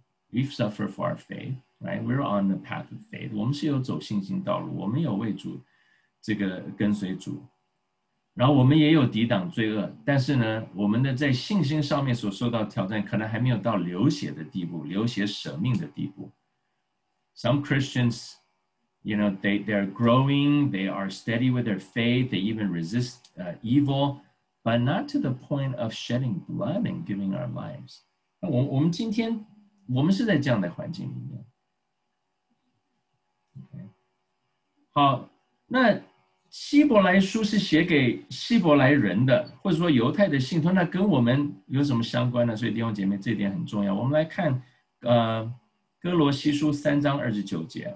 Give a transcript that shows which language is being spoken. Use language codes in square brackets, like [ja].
[en] We've suffered for our faithRight, we're on the path of faith. [zh] 我们是有走信心道路，我们有为主这个跟随主，然后我们也有抵挡罪恶，但是呢我们的在信心上面所受到挑战可能还没有到流血的地步，流血舍命的地步。 [en] Some Christians, you know, they're growing, they are steady with their faith, they even resist evil, but not to the point of shedding blood and giving our lives. [zh] 我们今天我们是在这样的环境里面。好，那希伯来书是写给希伯来人的，或者说犹太的信徒，那跟我们有什么相关呢？所以弟兄姐妹，这点很重要。我们来看哥罗西书三章二十九节。